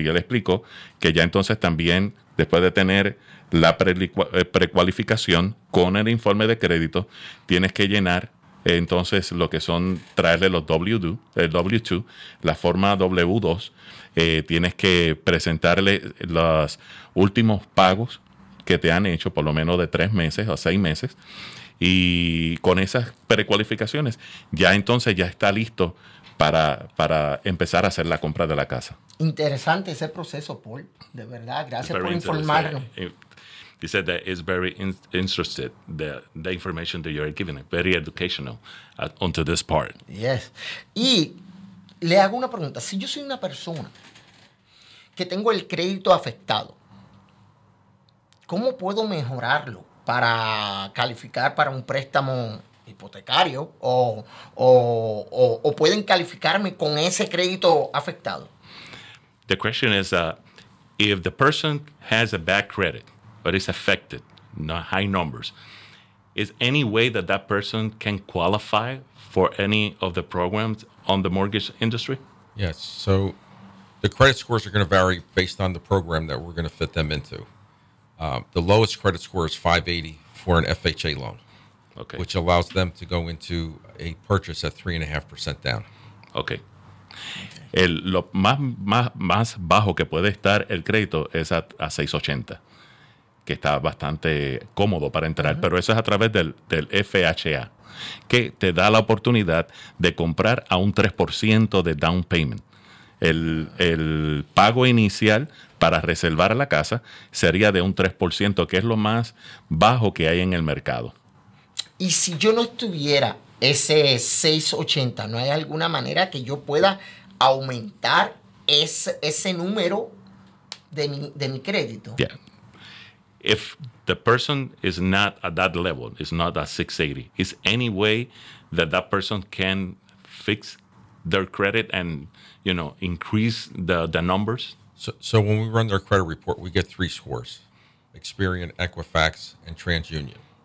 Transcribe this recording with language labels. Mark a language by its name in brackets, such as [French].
[Spanish] Y él explicó que ya entonces también, después de tener la precualificación con el informe de crédito, tienes que llenar entonces lo que son traerle los W-2, la forma W-2, tienes que presentarle los últimos pagos que te han hecho por lo menos de 3 meses o 6 meses y con esas precualificaciones ya entonces ya está listo para empezar a hacer la compra de la casa. Interesante ese proceso, Paul, de verdad, gracias por informarnos. [English] He said that it's very interested, the information that you're giving, very educational onto this part. [Spanish] Yes. Y le hago una pregunta. Si yo soy una persona que tengo el crédito afectado, ¿cómo puedo mejorarlo para calificar para un préstamo hipotecario o pueden calificarme con ese crédito afectado? [English] The question is, if the person has a bad credit, but it's affected, not high numbers. Is any way that that person can qualify for any of the programs on the mortgage industry? Yes, so the credit scores are going to vary based on the program that we're going to fit them into. The lowest credit score is 580 for an FHA loan. Okay. Which allows them to go into a purchase at 3.5% down. Okay. [Spanish] El, lo más, más, más bajo que puede estar el crédito es a 6.80, que está bastante cómodo para entrar, uh-huh. pero eso es a través del FHA, que te da la oportunidad de comprar a un 3% de down payment. El pago inicial para reservar la casa sería de un 3%, que es lo más bajo que hay en el mercado. Y si yo no tuviera ese 6.80, ¿no hay alguna manera que yo pueda aumentar ese número de mi crédito? [English] Yeah. If the person is not at that level, it's not at 680, is any way that that person can fix their credit and, you know, increase the numbers? So when we run their credit report, we get three scores, Experian, Equifax, and TransUnion.